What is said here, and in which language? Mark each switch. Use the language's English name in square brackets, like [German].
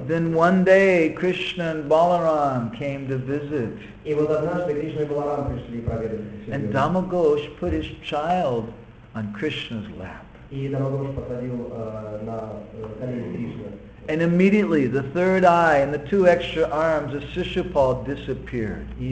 [English] Then one day Krishna and Balaram came to visit. [Russian] И вот однажды Кришна и Баларам пришли проведать. [English] And Dhammaghosh put his child on Krishna's lap. [Russian] И Dhammaghosh посадил на колени Кришны. [English] And immediately the third eye and the two extra arms of Shishupal disappeared.